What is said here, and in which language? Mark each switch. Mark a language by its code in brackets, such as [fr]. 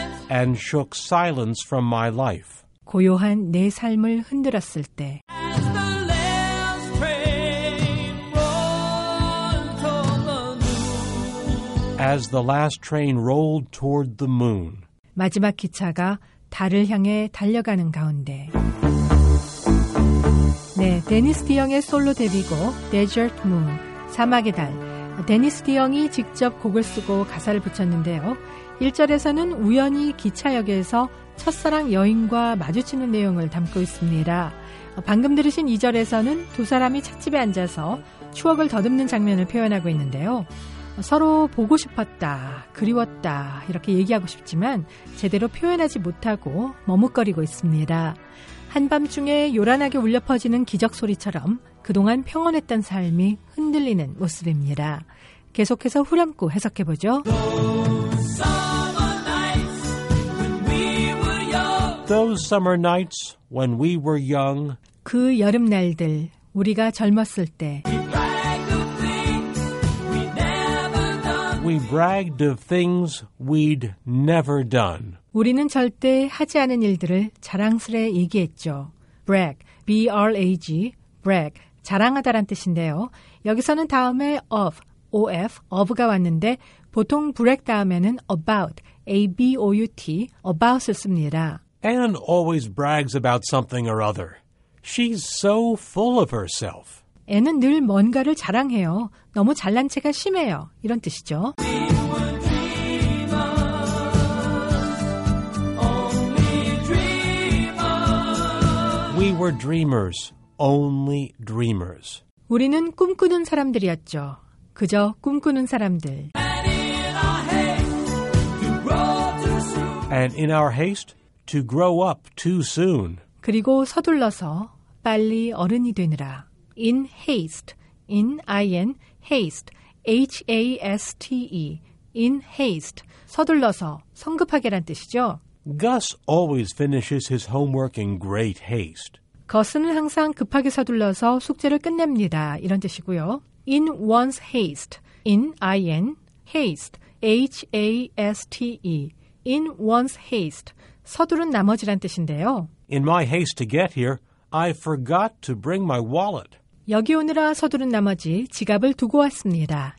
[en] And shook silence from my life. [ko] 고요한 내 삶을 흔들었을 때 [en] As the last train rolled toward the moon. As the last train rolled toward the moon. [ko] 마지막 기차가 달을 향해 달려가는 가운데 네, 데니스 디영의 솔로 데뷔곡 Desert Moon, 사막의 달 데니스 디영이 직접 곡을 쓰고 가사를 붙였는데요 1절에서는 우연히 기차역에서 첫사랑 여인과 마주치는 내용을 담고 있습니다. 방금 들으신 2절에서는 두 사람이 찻집에 앉아서 추억을 더듬는 장면을 표현하고 있는데요. 서로 보고 싶었다, 그리웠다 이렇게 얘기하고 싶지만 제대로 표현하지 못하고 머뭇거리고 있습니다. 한밤중에 요란하게 울려 퍼지는 기적 소리처럼 그동안 평온했던 삶이 흔들리는 모습입니다. 계속해서 후렴구 해석해보죠. [en] Those summer nights when we were young. [ko] 그 여름 날들 우리가 젊었을 때. [en] We bragged of things we'd never done. [ko] 우리는 절대 하지 않은 일들을 자랑스레 얘기했죠. [en] Brag, B-R-A-G, brag, [ko] 자랑하다란 뜻인데요. 여기서는 다음에 of, O-F, of가 왔는데 보통 brag 다음에는 about, A-B-O-U-T, about을 씁니다. [en] Anne always brags about something or other. She's so full of herself. [ko] 애는 늘 뭔가를 자랑해요. 너무 잘난 체가 심해요. 이런 뜻이죠. [en] We were dreamers, only dreamers. We were dreamers, only dreamers. [ko] 우리는 꿈꾸는 사람들이었죠. 그저 꿈꾸는 사람들. [en] And in our haste, to grow too soon. And in our haste, To grow up too soon. [ko] 그리고 서둘러서 빨리 어른이 되느라. [en] In haste. In I-N. Haste. H-A-S-T-E. In haste. [ko] 서둘러서 성급하게란 뜻이죠. [en] Gus always finishes his homework in great haste. [ko] 거스는 항상 급하게 서둘러서 숙제를 끝냅니다. 이런 뜻이고요. [en] In one's haste. In I-N. Haste. H-A-S-T-E. In one's haste. [ko] 서두른 나머지란 뜻인데요. [en] In my haste to get here, I forgot to bring my wallet. [ko] 여기 오느라 서두른 나머지 지갑을 두고 왔습니다.